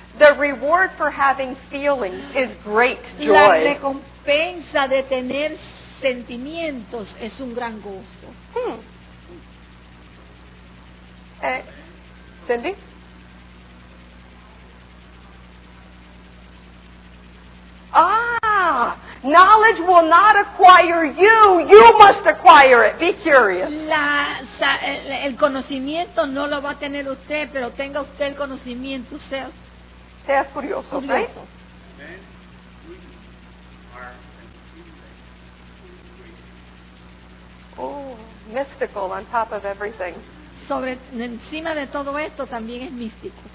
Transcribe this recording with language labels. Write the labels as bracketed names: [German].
[English] The reward for having feelings is great joy. [Spanish] La recompensa de tener sentimientos es un gran gozo. Hmm. Cindy? Ah! [English] Knowledge will not acquire you. You must acquire it. Be curious. [Spanish] El conocimiento no lo va a tener usted, pero tenga usted el conocimiento. Sea curioso, curioso. [English] Okay? Oh, mystical on top of everything. [Spanish] Sobre encima de todo esto también es místico.